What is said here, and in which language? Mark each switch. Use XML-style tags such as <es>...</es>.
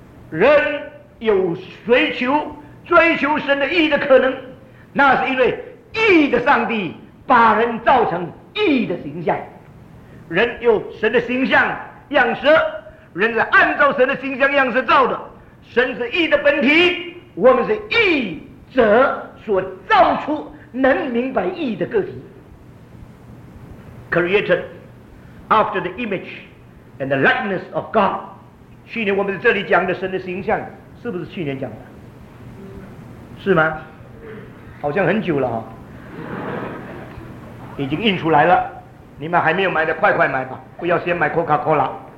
<zh>人有追求神的义的可能，那是因为义的上帝把人造成义的形象。人有神的形象样式，人是按照神的形象样式造的。神是义的本体，我们是义者所造出能明白义的个体。</zh> <en>Created after the image and the likeness of God。</en> <zh>去年我们在这里讲的神的形象，是不是去年讲的？是吗？好像很久了已经印出来了，你们还没有买的快快买吧，不要先买 Coca-Cola。</zh>